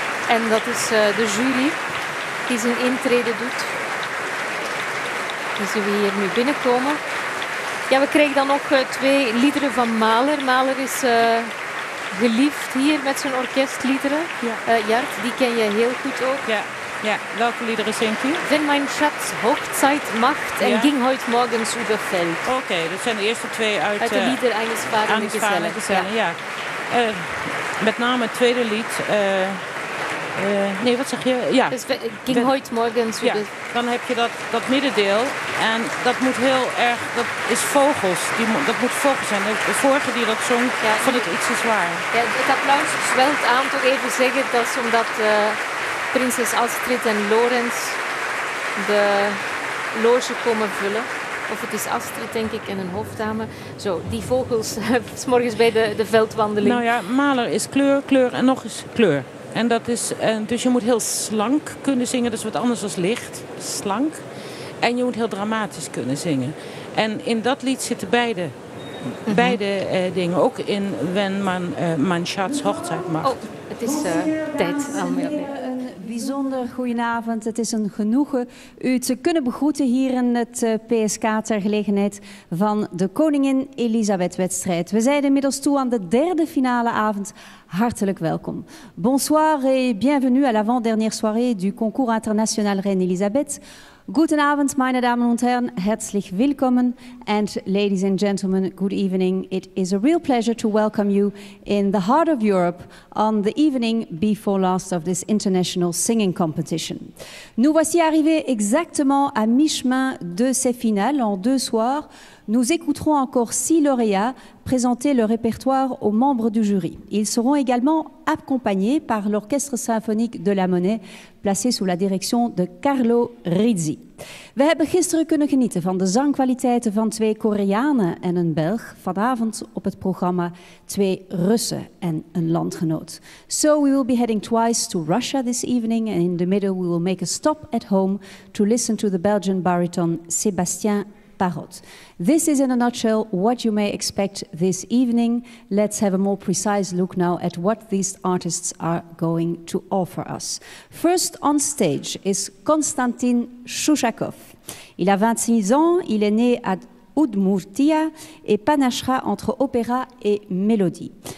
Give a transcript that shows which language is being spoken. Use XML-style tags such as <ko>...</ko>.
<nl>En dat is de jury die zijn intrede doet. Die zien we hier nu binnenkomen. Ja, we krijgen dan nog twee liederen van Mahler. Mahler is geliefd hier met zijn orkestliederen. Ja. Jart, die ken je heel goed ook. Ja, ja. Welke liederen zingt u?</nl> <de>Wenn mein Schatz Hochzeit macht en ging heute morgens über Feld.</de> <nl>Oké, okay, dat zijn de eerste twee uit de lieder eines fahrenden Gesellen. Ja. Met name het tweede lied. Nee, wat zeg je? Ja. Dus ging heute morgens. Ja. Dan heb je dat middendeel. En dat moet heel erg. Dat is vogels. Dat moet vogels zijn. De vorige die dat zong, vond ik iets te zwaar. Ja, het applaus zwelt aan, toch even zeggen. Dat is omdat prinses Astrid en Lorenz de loge komen vullen. Of het is Astrid, denk ik, en een hofdame. Zo, die vogels. Het is morgens bij de veldwandeling. Nou ja, Mahler is kleur, kleur en nog eens kleur. En dat is, dus je moet heel slank kunnen zingen. Dat is wat anders dan licht. Slank. En je moet heel dramatisch kunnen zingen. En in dat lied zitten beide, beide dingen. Ook in Wenn man mein Schatz Hochzeit macht. Oh, het is tijd. Een bijzonder goedenavond. Het is een genoegen u te kunnen begroeten hier in het PSK ter gelegenheid van de Koningin Elisabeth wedstrijd. We zijn inmiddels toe aan de derde finale avond. Hartelijk welkom.</nl> <fr>Bonsoir et bienvenue à l'avant-dernière soirée du concours international Reine Elisabeth.</fr> <de>Goedenavond, meine Damen und Herren. Herzlich willkommen.</de> <en>And ladies and gentlemen, good evening. It is a real pleasure to welcome you in the heart of Europe on the evening before last of this international singing competition.</en> <fr>Nous voici arrivés exactement à mi-chemin de ces finales en deux soirs. Nous écouterons encore six lauréats présenter leur répertoire aux membres du jury. Ils seront également accompagnés par l'Orchestre Symphonique de la Monnaie, placé sous la direction de Carlo Rizzi.</fr> <nl>We hebben gisteren kunnen genieten van de zangkwaliteiten van twee Koreanen en een Belg. Vanavond op het programma twee Russen en een landgenoot.</nl> <en>So we will be heading twice to Russia this evening. And in the middle we will make a stop at home to listen to the Belgian baritone Sébastien Parrot. This is in a nutshell what you may expect this evening. Let's have a more precise look now at what these artists are going to offer us. First on stage is Konstantin Shushakov.</en> <fr>Il a 26 ans, il est né à Udmurtia et panachera entre opéra et mélodie.</fr>